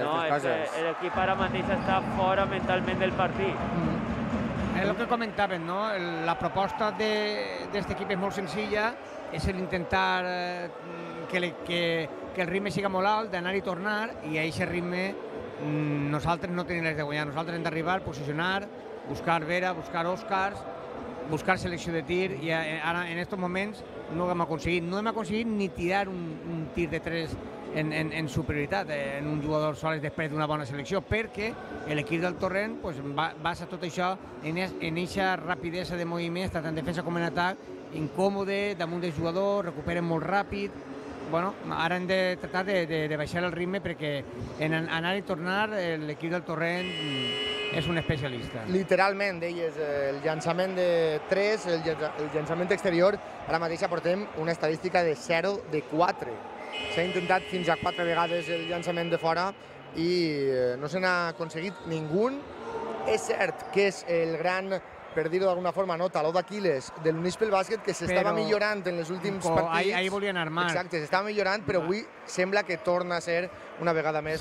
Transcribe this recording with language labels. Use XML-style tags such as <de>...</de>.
<es>No, el equipo aramandista está fuera mentalmente del partido. Es lo que comentaban, ¿no? La propuesta de este equipo es muy sencilla, es el intentar que el ritmo siga muy alto,</es> <ca>de anar y tornar,</ca> <es>y ahí ese ritmo...</es> <ca>Nosaltres no tenim res de guanyar, nosaltres hem d'arribar, posicionar, buscar Vera, buscar Òscars, buscar selecció de tir, i ara en aquests moments no ho hem aconseguit. No hem aconseguit ni tirar un tir de 3 en superioritat, en un jugador sol després d'una bona selecció, perquè l'equip del Torrent basa tot això en aquesta rapidesa de moviment, tant en defensa com en atac, incòmode, damunt del jugador, recuperen molt ràpid. Bueno, ara hem de tractar de baixar el ritme perquè en anar i tornar l'equip del Torrent és un especialista. Literalment, deies, el llançament de 3, el llançament exterior, ara mateix aportem una estadística de 0 de 4. S'ha intentat fins a 4 vegades el llançament de fora i no se n'ha aconseguit ningú. És cert que és el gran</ca> <es>perdido de alguna forma, ¿no? Taló de Aquiles del Unispel Basket, que se estaba mejorando en los últimos partidos. Ahí volvían a armar. Exacto, se estaba mejorando, pero hoy</es> <ca>sembla que torna a ser una vegada més,</ca>